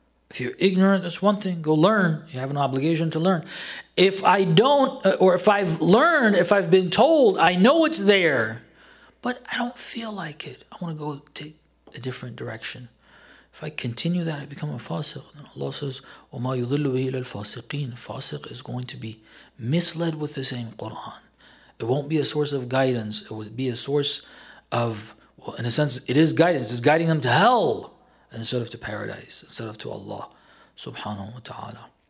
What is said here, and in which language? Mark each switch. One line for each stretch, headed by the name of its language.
English: If you're ignorant, that's one thing. Go learn. You have an obligation to learn. If I don't, or if I've learned, if I've been told, I know it's there, but I don't feel like it. I want to go take a different direction. If I continue that, I become a fasiq. And Allah says,
Arabic: وَمَا يُضِلُّ بِهِ إِلَى الْفَاسِقِينَ.
English: Fasiq is going to be misled with the same Quran. It won't be a source of guidance. It would be a source of, well, in a sense, it is guidance. It's guiding them to hell instead of to paradise, instead of to Allah subhanahu wa ta'ala.